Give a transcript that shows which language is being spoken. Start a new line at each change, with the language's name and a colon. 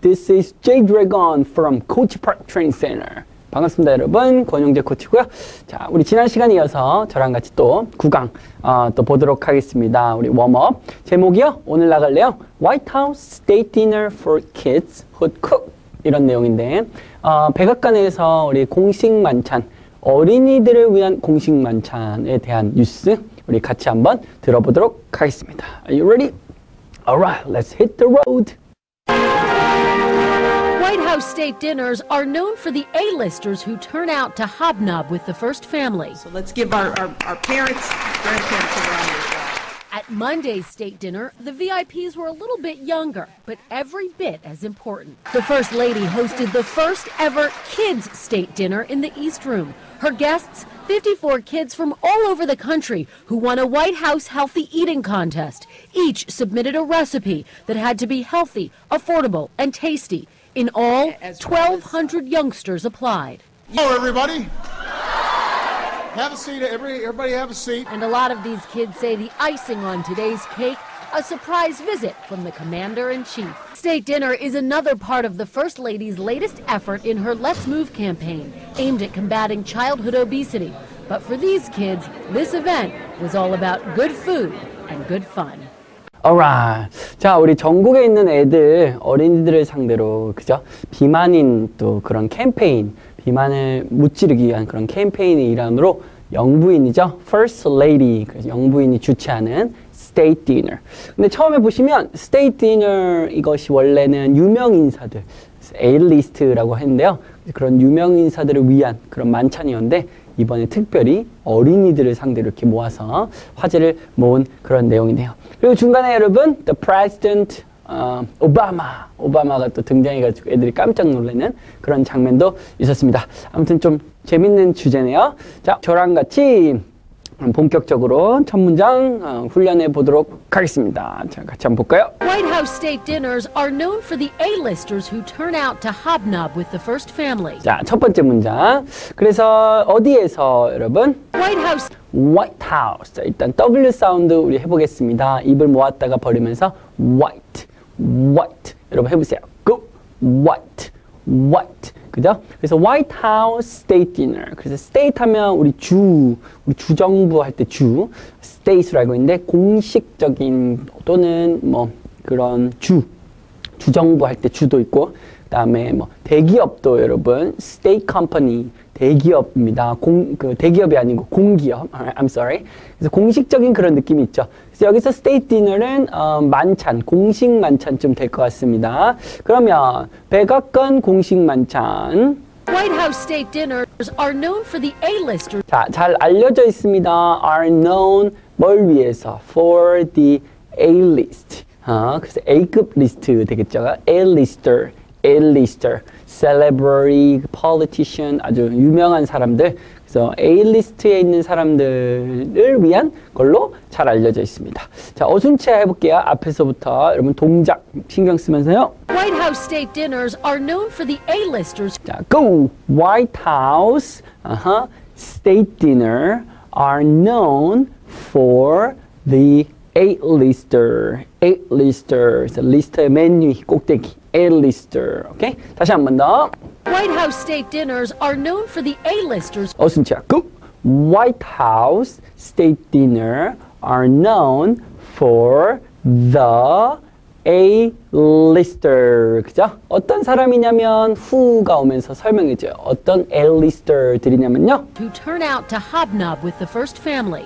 English: This is Jay Dragon from Coach Park Training Center.
Korean: 반갑습니다, 여러분. 권용재 코치고요. 자, 우리 지난 시간에 이어서 저랑 같이 또 구강, 또 보도록 하겠습니다. 우리 웜업. 제목이요? 오늘 나갈래요?
English: White House State Dinner for Kids Hood Cook.
Korean: 이런 내용인데, 백악관에서 우리 공식 만찬, 어린이들을 위한 공식 만찬에 대한 뉴스, 우리 같이 한번 들어보도록 하겠습니다.
English: Are you ready? Alright, let's hit the road. White House state dinners are known for the A-listers who turn out to hobnob with the first family. So let's give our parents grandparents a round of applause. At Monday's state dinner, the VIPs were a little bit younger, but every bit as important. The First Lady hosted the first ever kids state dinner in the East Room. Her guests, 54 kids from all over the country who won a White House Healthy Eating Contest. Each submitted a recipe that had to be healthy, affordable, and tasty. In all, 1,200 youngsters applied. Hello, everybody. Have a seat. Everybody have a seat. And a lot of these kids say the icing on today's cake, a surprise visit from the Commander-in-Chief. State dinner is another part of the First Lady's latest effort in her Let's Move campaign, aimed at combating childhood obesity. But for these kids, this event was all about good food and good fun. Alright.
Korean: 자, 우리 전국에 있는 애들, 어린이들을 상대로, 그죠? 비만인 또 그런 캠페인, 비만을 무찌르기 위한 그런 캠페인의 일환으로 영부인이죠?
English: First Lady,
Korean: 그래서 영부인이 주최하는
English: State Dinner.
Korean: 근데 처음에 보시면 State Dinner 이것이 원래는 유명인사들, A-List라고 했는데요. 그런 유명인사들을 위한 그런 만찬이었는데 이번에 특별히 어린이들을 상대로 이렇게 모아서 화제를 모은 그런 내용이네요. 그리고 중간에 여러분, The President, Obama. 오바마가 또 등장해가지고 애들이 깜짝 놀라는 그런 장면도 있었습니다. 아무튼 좀 재밌는 주제네요. 자, 저랑 같이 본격적으로 첫 문장 훈련해 보도록 하겠습니다. 자, 같이 한번 볼까요?
English: White House state dinners are known for the A-listers who turn out to hobnob with the first family.
Korean: 자, 첫 번째 문장. 그래서 어디에서 여러분?
English: White House.
Korean: 자, 일단 W 사운드 우리 해보겠습니다. 입을 모았다가 버리면서 White. 여러분 해보세요. Go. White. 그죠? 그래서 White House State Dinner. 그래서 State 하면 우리 주정부 할 때 주, State로 알고 있는데 공식적인 또는 뭐 그런 주정부 할 때 주도 있고 그 다음에 뭐 대기업도 여러분 State Company 대기업입니다. 그 대기업이 아니고 공기업.
English: I'm sorry.
Korean: 그래서 공식적인 그런 느낌이 있죠. 그래서 여기서 State Dinner은 만찬, 공식 만찬쯤 될 것 같습니다. 그러면 백악관 공식 만찬.
English: White House State Dinners are known for the A-listers.
Korean: 자, 잘 알려져 있습니다.
English: Are known
Korean: 뭘 위해서?
English: For the A-list.
Korean: 그래서 A급 리스트 되겠죠. A-lister. Celebrity, politician, 아주 유명한 사람들. 그래서 A-list에 있는 사람들을 위한 걸로 잘 알려져 있습니다. 자, 어순채 해볼게요. 앞에서부터 여러분 동작 신경 쓰면서요.
English: White House state dinners are known for the A-listers.
Korean: 자, go!
English: White House state dinner are known for the A-lister. A-lister.
Korean: 그래서 리스트의 메뉴 꼭대기. A-lister, okay? 다시 한 번 더.
English: White House state dinners are known for the A-listers.
Korean: 어순차, go!
English: White House state dinner are known for the A-lister.
Korean: 그죠? 어떤 사람이냐면 who가 오면서 설명해줘요. 어떤 A-lister들이냐면요.
English: To turn out to hobnob with the first family.